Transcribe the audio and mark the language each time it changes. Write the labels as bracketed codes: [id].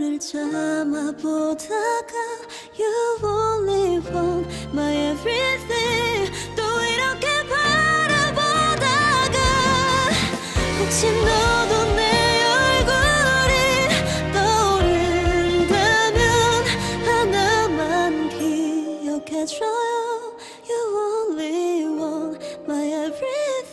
[ko] 참아보다가 [en] You only want my everything. [ko] 또 이렇게 바라보다가 혹시 너도 내 얼굴이 떠오른다면 하나만 기억해줘요. [en] You only want my everything.